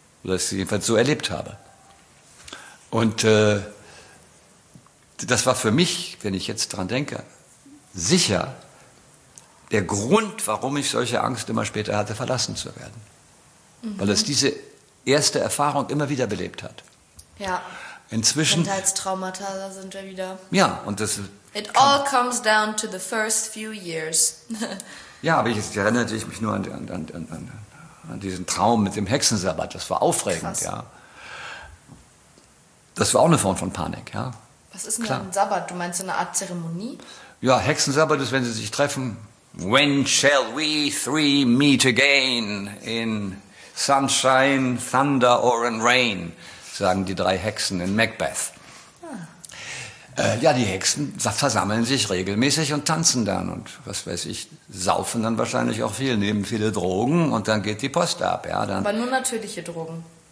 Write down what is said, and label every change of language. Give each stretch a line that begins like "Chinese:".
German: Oder ich sie jedenfalls so erlebt habe. Und das war für mich, wenn ich jetzt dran denke, sicher der Grund, warum ich solche Angst immer später hatte, verlassen zu werden. Mhm. Weil es diese erste Erfahrung immer wieder belebt hat. Ja. Inzwischen. Kindheitstraumata, da sind wir wieder. Ja, und das.
English: It all comes down to the first few years.
German: Ja, aber ich erinnere mich nur an diesen Traum mit dem Hexensabbat. Das war aufregend, krass. Ja. Das war auch eine Form von Panik, ja. Was ist denn klar. Ein Sabbat? Du meinst so eine Art Zeremonie? Ja, Hexensabbat ist, wenn sie sich treffen.
English: When shall we three meet again? In sunshine, thunder or in rain?
German: Sagen die drei Hexen in Macbeth. Ja, die Hexen versammeln sich regelmäßig und tanzen dann und, was weiß ich, saufen dann wahrscheinlich auch viel, nehmen viele Drogen und dann geht die Post ab. Ja, dann. Aber nur natürliche Drogen.